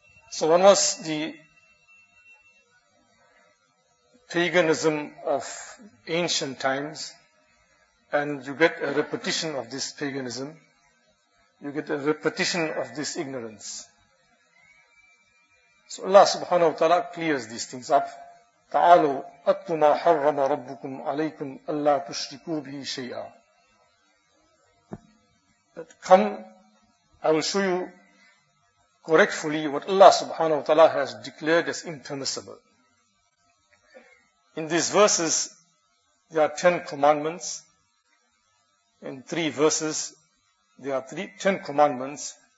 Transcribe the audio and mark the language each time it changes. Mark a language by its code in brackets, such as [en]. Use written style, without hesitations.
[en] So one was the paganism of ancient times, and you get a repetition of this paganism, you get a repetition of this ignorance. So Allah subhanahu wa ta'ala clears these things up. [ar] تعالوا أتل ما حرم ربكم عليكم ألا تشركوا به شيئا. [en] But come, I will show you correctfully what Allah subhanahu wa ta'ala has declared as impermissible. In these verses, there are 10 commandments. In 3 verses, there are 10 commandments.